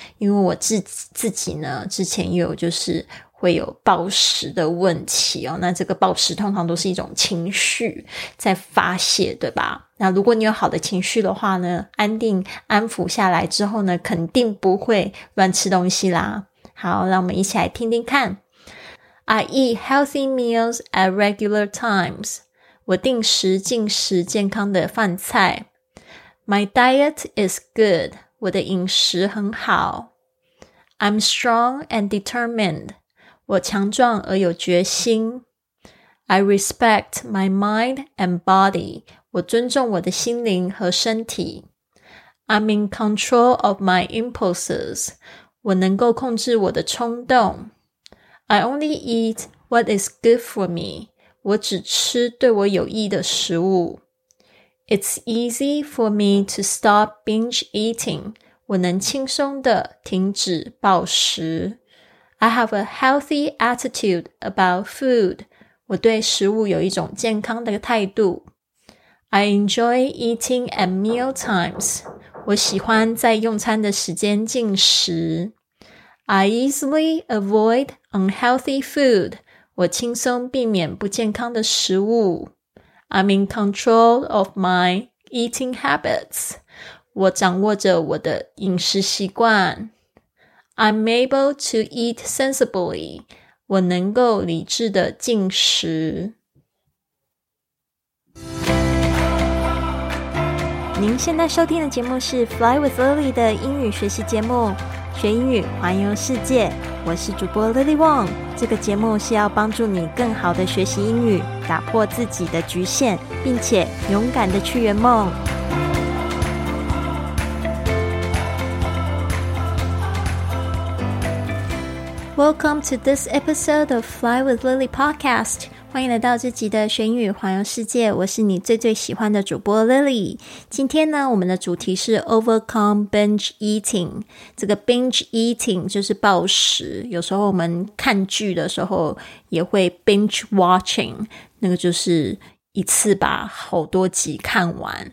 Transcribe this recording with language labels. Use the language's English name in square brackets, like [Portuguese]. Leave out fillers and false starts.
[Chinese] 因为我自己呢，之前也有就是会有暴食的问题哦，那这个暴食通常都是一种情绪在发泄，对吧？那如果你有好的情绪的话呢，安定安抚下来之后呢，肯定不会乱吃东西啦。好，让我们一起来听听看。 [English] I eat healthy meals at regular times. [Chinese] 我定时进食健康的饭菜。 [English] My diet is good. [Chinese] 我的饮食很好。 [English] I'm strong and determined. [Chinese] 我强壮而有决心。 [English] I respect my mind and body. [Chinese] 我尊重我的心灵和身体。 [English] I'm in control of my impulses. [Chinese] 我能够控制我的冲动。 [English] I only eat what is good for me. [Chinese] 我只吃对我有益的食物。 [English] It's easy for me to stop binge eating. [Chinese] 我能轻松地停止暴食。 [English] I have a healthy attitude about food. [Chinese] 我对食物有一种健康的态度。 [English] I enjoy eating at meal times. [Chinese] 我喜欢在用餐的时间进食。 [English] I easily avoid unhealthy food. [Chinese] 我轻松避免不健康的食物。 [English] I'm in control of my eating habits. [Chinese] 我掌握着我的饮食习惯。 [English] I'm able to eat sensibly. [Chinese] 我能够理智的进食。您现在收听的节目是 Fly with Lily 的英语学习节目，学英语环游世界。我是主播 Lily Wong。这个节目是要帮助你更好的学习英语，打破自己的局限，并且勇敢的去圆梦。 Welcome to this episode of Fly with Lily podcast. 欢迎来到这集的学英语环游世界，我是你最最喜欢的主播 Lily。今天呢，我们的主题是 Overcome Binge Eating。这个 Binge Eating 就是暴食，有时候我们看剧的时候也会 Binge Watching， 那个就是一次把好多集看完。